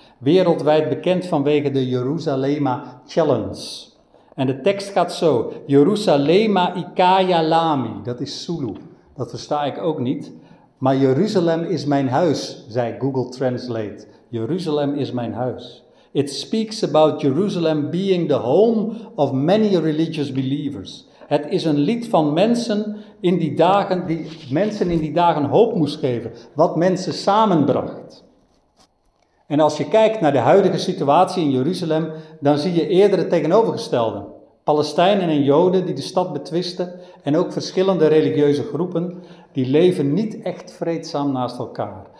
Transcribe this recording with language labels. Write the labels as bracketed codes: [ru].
[nl] Wereldwijd bekend vanwege de Jerusalema Challenge. En de tekst gaat zo, Jerusalema Ikaya Lami, dat is Zulu, dat versta ik ook niet. Maar Jeruzalem is mijn huis, zei Google Translate, Jeruzalem is mijn huis. [en] It speaks about Jerusalem being the home of many religious believers. [nl] Het is een lied van mensen in die dagen, die mensen in die dagen hoop moest geven, wat mensen samenbracht. En als je kijkt naar de huidige situatie in Jeruzalem, dan zie je eerder het tegenovergestelde. Palestijnen en Joden die de stad betwisten en ook verschillende religieuze groepen, die leven niet echt vreedzaam naast elkaar.